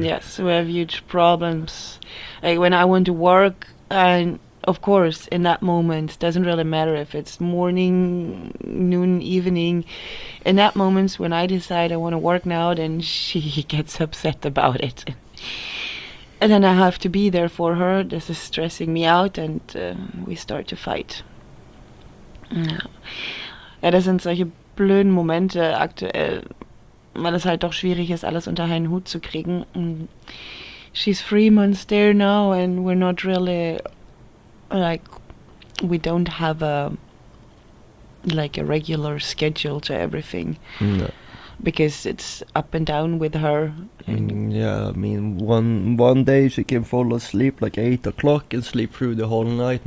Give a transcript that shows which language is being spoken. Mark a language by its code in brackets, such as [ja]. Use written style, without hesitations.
[en] Yes, we have huge problems. When I want to work, and of course in that moment doesn't really matter if it's morning, noon, evening, in that moment when I decide I want to work now, then she gets upset about it, and then I have to be there for her. This is stressing me out, and we start to fight. [de] Ja, das sind solche blöden Momente aktuell, weil es halt doch schwierig ist, alles unter einen Hut zu kriegen. [en] She's 3 months there now, and we're not really, we don't have a regular schedule to everything. No. because it's up and down with her. Yeah, I mean, one day she can fall asleep like 8 o'clock and sleep through the whole night.